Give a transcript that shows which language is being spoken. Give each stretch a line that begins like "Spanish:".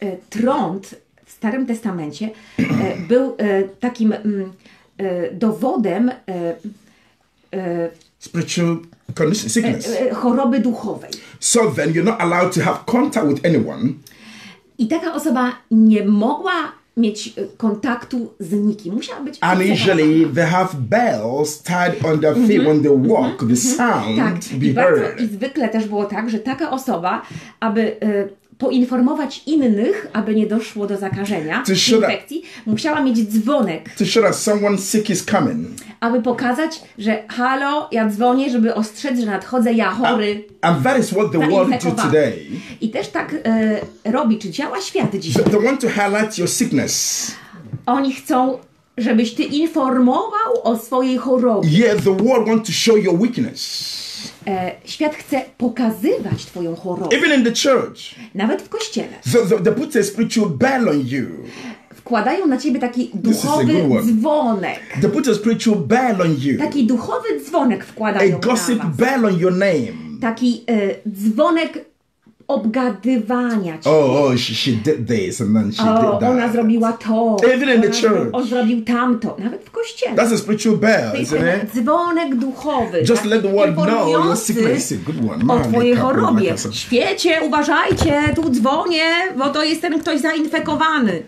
Polish: Trąd w Starym Testamencie był takim dowodem.
English: Spiritual condition, sickness.
Polish: Choroby duchowej.
English: So then you're not allowed to have contact with anyone.
Polish: I taka osoba nie mogła mieć kontaktu z nikim. Musiała być.
English: And usually they have bells tied on their feet when they walk, the sound
Polish: tak.
English: Be
Polish: I bardzo,
English: heard.
Polish: I zwykle też było tak, że taka osoba, aby poinformować innych, aby nie doszło do zakażenia, infekcji, musiała mieć dzwonek.
English: To show that someone sick is coming.
Polish: Aby pokazać, że halo, ja dzwonię, żeby ostrzec, że nadchodzę, ja chory.
English: And that is what the world do today.
Polish: I też tak robi, czy działa świat dzisiaj.
English: They want to highlight your sickness.
Polish: Oni chcą, żebyś ty informował o swojej chorobie.
English: Yeah, the world want to show your weakness.
Polish: Świat chce pokazywać twoją chorobę.
English: Even in the church.
Polish: Nawet w kościele.
English: They put a spiritual bell on you.
Polish: Wkładają na ciebie taki duchowy dzwonek.
English: They put a spiritual bell on you.
Polish: Taki duchowy dzwonek wkładają na was.
English: A gossip bell on your name.
Polish: Taki dzwonek obgadywania cię.
English: She did this and then she did that.
Polish: Ona zrobiła to.
English: Even in the church.
Polish: On zrobił tamto. Nawet w kościele.
English: That's a spiritual bell, isn't it?
Polish: Dzwonek duchowy.
English: Just let the world know your sickness is a good one.
Polish: O twojej chorobie. Świecie, uważajcie, tu dzwonię, bo to jest ten ktoś zainfekowany.